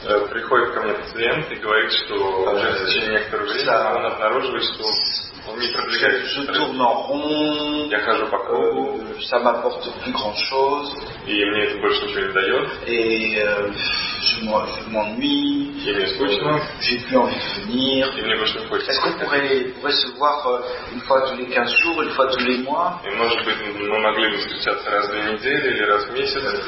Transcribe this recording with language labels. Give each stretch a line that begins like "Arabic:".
Russian: Приходит ко мне пациент и говорит, что уже в течение некоторого времени он обнаруживает, что
French: Je tourne en rond.
Russian: Я хожу по кругу.
French: beaucoup, ça m'apporte plus grand chose.
Russian: И мне это больше ничего не дает.
French: Je m'ennuie.
Russian: И мне скучно.
French: J'ai plus envie de venir.
Russian: И мне больше не хочется.
French: Est-ce qu'on pourrait se voir une fois tous les 15 jours, une fois tous les mois?
Russian: И может быть, мы могли бы встречаться раз в две недели или раз в месяц.